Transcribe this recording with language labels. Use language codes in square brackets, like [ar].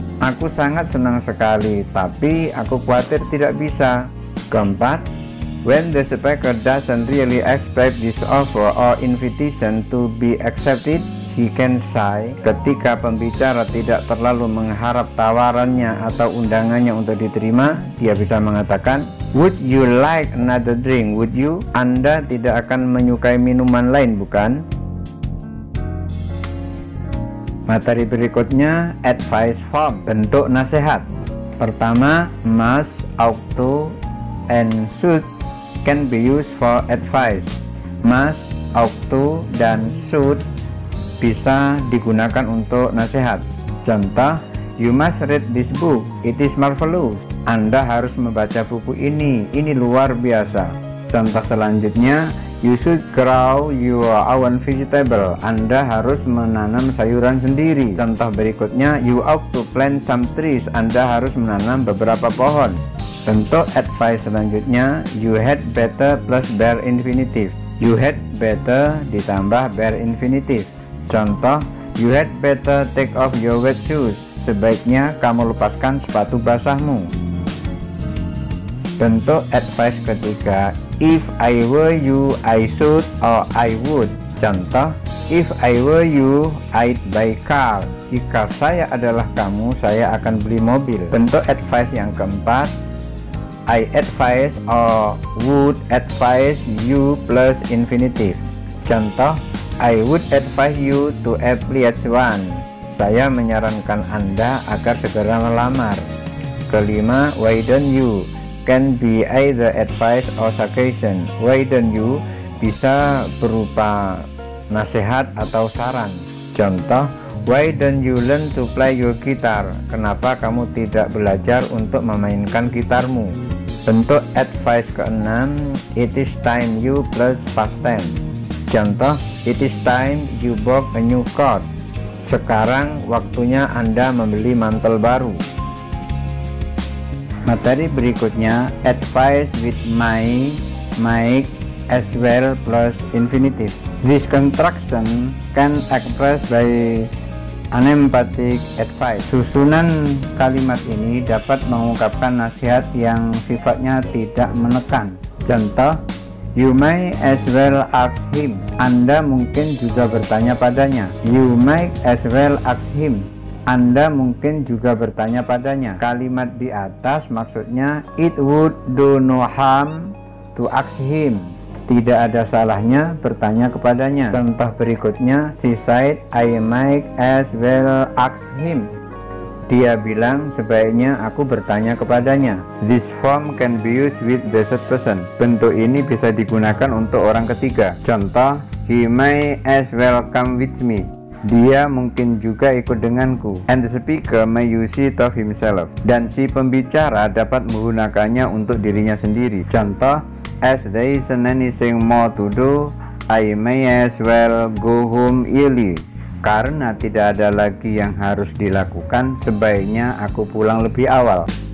[id] Aku sangat senang sekali tapi aku khawatir tidak bisa. [en] Keempat, when the speaker doesn't really expect this offer or invitation to be accepted, he can sigh. [id] Ketika pembicara tidak terlalu mengharap tawarannya atau undangannya untuk diterima, dia bisa mengatakan [en] would you like another drink, would you? [id] Anda tidak akan menyukai minuman lain, bukan? Materi berikutnya, [en] advice form, [id] bentuk nasihat. [en] Pertama, must, ought to, and should can be used for advice. Must, ought to, [id] dan should bisa digunakan untuk nasihat. [en] Contoh, you must read this book, it is marvelous. [id] Anda harus membaca buku ini luar biasa. [en] Contoh selanjutnya, you should grow your own vegetable. [id] Anda harus menanam sayuran sendiri. Contoh berikutnya, [en] you ought to plant some trees. [id] Anda harus menanam beberapa pohon. Contoh advice selanjutnya, [en] you had better plus bare infinitive. You had better ditambah bare infinitive. Contoh, you had better take off your wet shoes. [id] Sebaiknya kamu lepaskan sepatu basahmu. Bentuk advice ketiga, [en] if I were you, I should or I would. Contoh, if I were you, I'd buy car. [id] Jika saya adalah kamu, saya akan beli mobil. Bentuk advice yang keempat, [en] I advise or would advise you plus infinitive. Contoh, I would advise you to apply at once. [id] Saya menyarankan Anda agar segera melamar. [en] Kelima, why don't you? Can be either advice or suggestion. Why don't you? [id] Bisa berupa nasihat atau saran. [en] Contoh, why don't you learn to play your guitar? [id] Kenapa kamu tidak belajar untuk memainkan gitarmu? Bentuk advice keenam, [en] it is time you plus past tense. Contoh, it is time you bought a new coat. [id] Sekarang waktunya Anda membeli mantel baru. Materi berikutnya, [en] advice with my, Mike, as well plus infinitive. This contraction can express by unemphatic advice. [id] Susunan kalimat ini dapat mengungkapkan nasihat yang sifatnya tidak menekan. [en] Contoh, you may as well ask him. [id] Anda mungkin juga bertanya padanya. [en] You may as well ask him. [id] Anda mungkin juga bertanya padanya. Kalimat di atas maksudnya [en] it would do no harm to ask him. [id] Tidak ada salahnya bertanya kepadanya. Contoh berikutnya, [en] she said I might as well ask him. [id] Dia bilang sebaiknya aku bertanya kepadanya. [en] This form can be used with the third person. [id] Bentuk ini bisa digunakan untuk orang ketiga. [en] Contoh, he may as well come with me. [id] Dia mungkin juga ikut denganku. [en] And the speaker may use it of himself. [id] Dan si pembicara dapat menggunakannya untuk dirinya sendiri. [en] Contoh, as there isn't anything more to do, I may as well go home early. [id] Karena tidak ada lagi yang harus dilakukan, sebaiknya aku pulang lebih awal.